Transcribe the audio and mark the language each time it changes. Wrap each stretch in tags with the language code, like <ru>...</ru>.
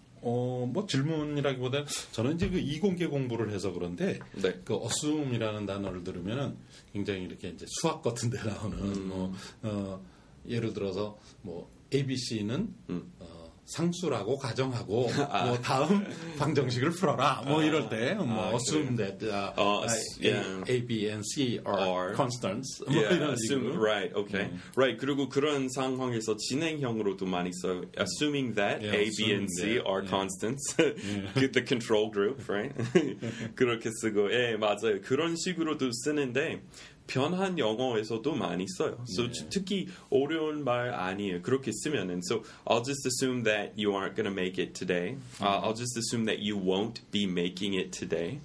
<ko>뭐 질문이라기보다 저는 이제 그 이공계 공부를 해서 그런데 네. 그 assume이라는 단어를 들으면은 굉장히 이렇게 이제 수학 같은 데 나오는 예를 들어서 뭐 ABC는 상수라고 가정하고 아. 뭐 다음 방정식을 풀어라. 뭐 이럴 때 뭐</ko> <en>assume that A, B, and C are constants.</en> <ko>Yeah, 뭐 assume, right, okay. Right, 그리고 그런 상황에서 진행형으로도 많이 써요.</ko> <en>Assuming that A, B, and C are constants. Get the control group, right?</en> <ko>그렇게 쓰고, 예, 맞아요. 그런 식으로도 쓰는데 변한 영어에서도 많이 써요. So 네. 특히 어려운 말 아니에요. 그렇게 쓰면은</ko> <en>So I'll just assume that you aren't going to make it today. I'll just assume that you won't be making it today.</en>